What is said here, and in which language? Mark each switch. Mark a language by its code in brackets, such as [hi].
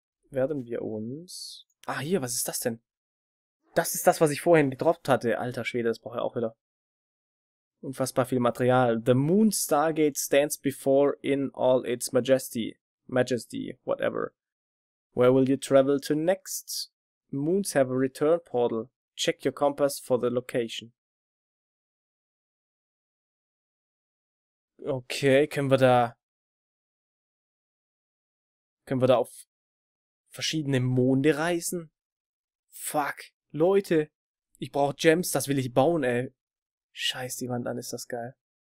[de] Werden wir uns. Ah, hier, was ist das denn? Das ist das, was ich vorhin gedroppt hatte. Alter Schwede, das brauche ich auch wieder. Unfassbar viel Material. [en] The Moon Stargate stands before in all its majesty. Majesty, whatever. Where will you travel to next? Moons have a return portal. Check your compass for the location. [de] Okay, können wir da auf verschiedene Monde reisen? Fuck, Leute, ich brauche Gems, das will ich bauen, ey. Scheiß die Wand an, ist das geil.